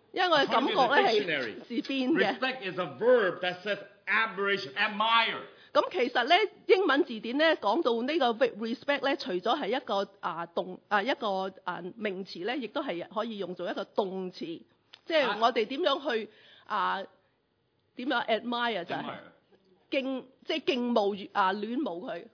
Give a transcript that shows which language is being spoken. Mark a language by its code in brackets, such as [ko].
[yue] 因為我哋感覺咧係自變嘅。 [en] Respect is a verb that says admiration, admire. [yue] 咁其實咧，英文字典咧講到呢個 respect 咧，除咗係一個啊動啊一個啊名詞咧，亦都係可以用做一個動詞。即係我哋點樣去啊點樣 admire 就係敬，即係敬慕啊戀慕佢。